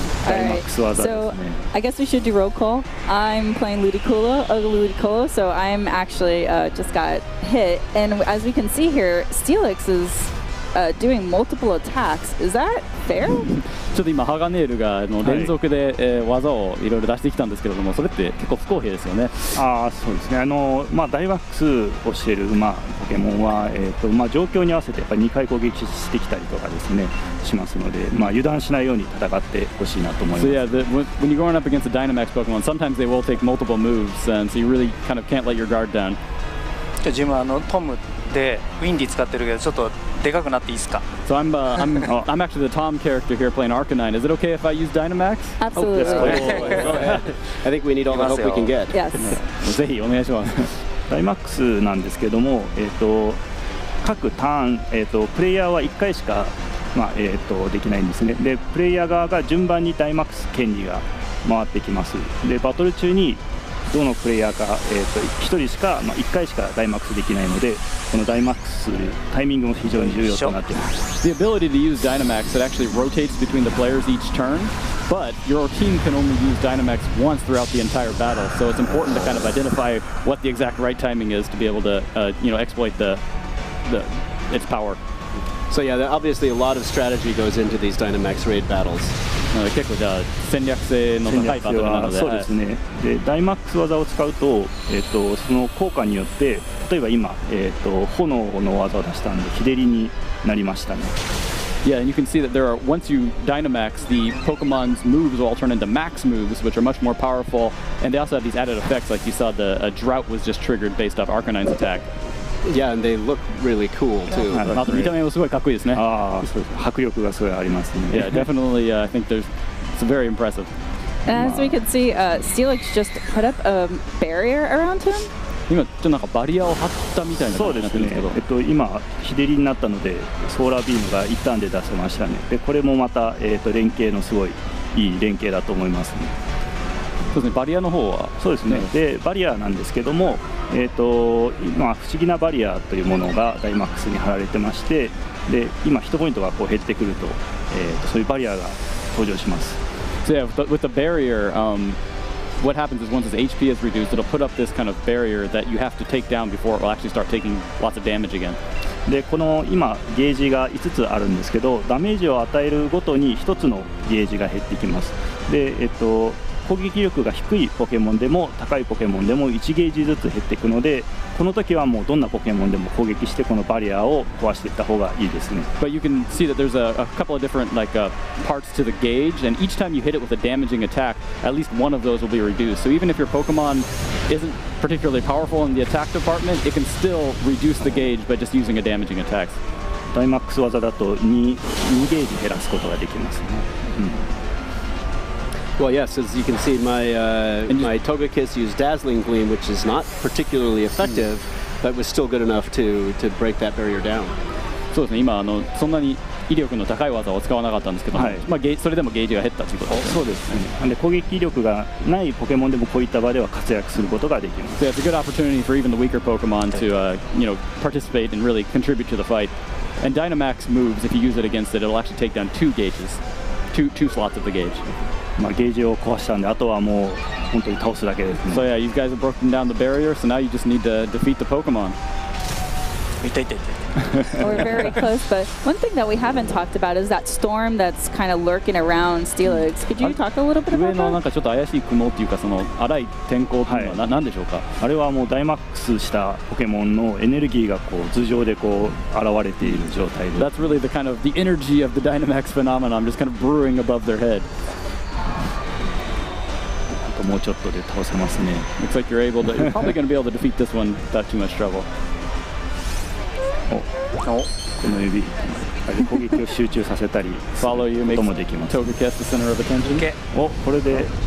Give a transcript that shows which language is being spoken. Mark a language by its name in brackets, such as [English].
[English] Alright, so I guess we should do roll call. I'm playing Ludicolo, so I'm actually、just got hit. And as we can see here, Steelix is doing multiple attacks. Is that fair? [Japanese] ちょっと今ハガネイルがの連続で、はい、技をいろいろ出してきたんですけども、それって結構不公平ですよね。ああ、そうですね。まあダイワックスをしている、まあ、ポケモンは、まあ、状況に合わせてやっぱり2回攻撃してきたりとかですね、しますので、まあ、油断しないように戦ってほしいなと思います。 [English] So yeah, when you're going up against a Dynamax Pokemon, sometimes they will take multiple moves, and so you really kind of can't let your guard down. [Japanese] じゃあ自分はトムでウィンディ使ってるけど、ちょっと。でかくなっていいですか? [English] So I'm actually the Tom character here playing Arcanine. Is it okay if I use Dynamax? Absolutely. Oh, yes, I think we need all the help we can get. Yes. [Japanese] ぜひお願いします。 Dynamax なんですけども、各ターン、プレイヤーは1回しか、まあできないんですね。で、プレイヤー側が順番に Dynamax 権利が回ってきます。で、バトル中にどのプレイヤーか、1人しか、まあ、1回しかダイマックスできないのでこのダイマックスするタイミングも非常に重要となっています。 [English] The ability to use Dynamax that actually rotates between the players each turn, but your team can only use Dynamax once throughout the entire battle. So it's important to kind of identify what the exact right timing is to be able to, you know, exploit the its power. So yeah, obviously a lot of strategy goes into these Dynamax raid battles. [Japanese] 結構じゃあ戦略性の高いバトルなので、そうですね。で、ダイマックス技を使うと、その効果によって、例えば今、炎の技を出したんで日照りになりましたね。 [English] Yeah, and you can see that there are once you Dynamax, the Pokemon's moves will all turn into Max moves, which are much more powerful, and they also have these added effects. Like you saw, the drought was just triggered based off Arcanine's attack. Yeah, and they look really cool too. [Japanese] あと見た目もすごいかっこいいですね。ああ、迫力がすごいありますね。 [English] Yeah, definitely. I think there's it's very impressive. And as we can see, Steelix just put up a barrier around him. [Japanese] 今ちょっとなんかバリアを張ったみたいな感じになってるんですけど。そうですね。今日照りになったのでソーラービームが一旦で出せましたね。でこれもまた連携のすごいいい連携だと思いますね。そうですね、バリアの方はそうですね、でバリアなんですけども、今不思議なバリアというものがダイマックスに貼られてまして、で今ヒットポイントがこう減ってくると、そういうバリアが登場します。 [English] So yeah, with the barrier, what happens is once his HP is reduced, it'll put up this kind of barrier that you have to take down before it will actually start taking lots of damage again. [Japanese] でこの今ゲージが5つあるんですけど、ダメージを与えるごとに1つのゲージが減ってきます。で攻撃力が低いポケモンでも高いポケモンでも1ゲージずつ減っていくので、この時はもうどんなポケモンでも攻撃してこのバリアを壊していった方がいいですね。 [English] But you can see that there's a couple of different like parts to the gauge, and each time you hit it with a damaging attack, at least one of those will be reduced. So even if your Pokemon isn't particularly powerful in the attack department, it can still reduce the gauge by just using a damaging attack. [Japanese] ダイマックス技だと 2ゲージ減らすことができますね。 [English] Well, yes, as you can see, my Togekiss used Dazzling Gleam, which is not particularly effective, but was still good enough to break that barrier down. [Japanese] そうですね、今そんなに威力の高い技を使わなかったんですけど、はい、まあ、それでもゲージが減ったということですね。そうですね。で、攻撃威力がないポケモンでもこういった場では活躍することができます。 [English] So, yeah, it's a good opportunity for even the weaker Pokemon to, you know, participate and really contribute to the fight. And Dynamax moves, if you use it against it, it'll actually take down two gauges, two slots of the gauge. [Japanese] まあ、ゲージを壊したんで、あとはもう本当に倒すだけですね。 [English] So yeah, you guys have broken down the barrier, so now you just need to defeat the Pokemon. [Japanese] 痛い。 [English] We're very close, but one thing that we haven't talked about is that storm that's kind of lurking around Steelix. Could you talk a little bit about that? [Japanese] 上のなんかちょっと怪しい雲っていうか、その荒い天候っていうのは何でしょうか？あれはもうダイマックスしたポケモンのエネルギーがこう頭上でこう現れている状態で。 [English] That's really the kind of the energy of the Dynamax phenomenon, just kind of brewing above their head. [Japanese] もうちょっとで倒せますね。 [English] Looks like you're able to. You're probably going to be able to defeat this one without too much trouble. [Japanese] この指、あれ攻撃を集中させたり、 [English] Follow you, [Japanese] こともできます。 [English] Togekiss the center of attention. Okay. [Japanese] これで。